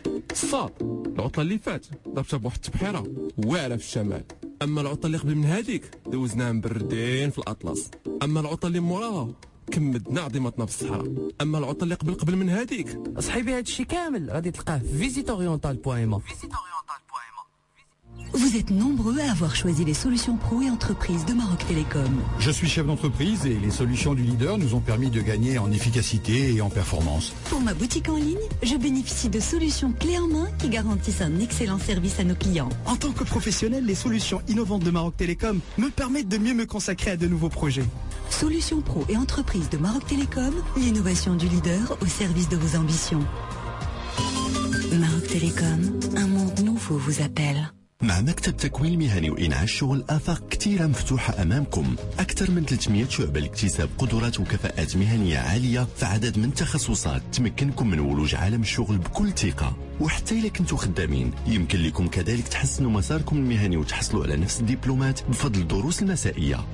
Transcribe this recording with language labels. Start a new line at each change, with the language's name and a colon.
Arabic: الصاد العطلة اللي فات ضربتها بواحد التبحيرة واعرة في الشمال أما العطلة اللي قبل من هذيك دوزناها مبردين في الأطلس أما العطلة اللي موراها كمدنا عظيمتنا في الصحراء اما العطل اللي قبل من هذيك صحيبي هادشي كامل غادي تلقاه في فيزيتوريونتال.ما
French: Vous êtes nombreux à avoir choisi les solutions pro et entreprises de Maroc Télécom. Je suis chef d'entreprise et les solutions du leader nous ont permis de gagner en efficacité et en performance. Pour ma boutique en ligne, je bénéficie de solutions clés en main qui garantissent un excellent service à nos clients. En tant que professionnel, les solutions innovantes de Maroc Télécom me permettent de mieux me consacrer à de nouveaux projets. Solutions pro et entreprises de Maroc Télécom, l'innovation du leader au service de vos ambitions. Maroc Télécom, un monde nouveau vous appelle.
Arabic: مع مكتب تكوين مهني وإنعاش شغل آفاق كتيرة مفتوحة أمامكم أكثر من 300 شعبة لاكتساب قدرات وكفاءات مهنية عالية في عدد من تخصصات تمكنكم من ولوج عالم الشغل بكل ثقة وحتى إلا كنتوا خدامين يمكن لكم كذلك تحسنوا مساركم المهني وتحصلوا على نفس الدبلومات بفضل الدروس المسائية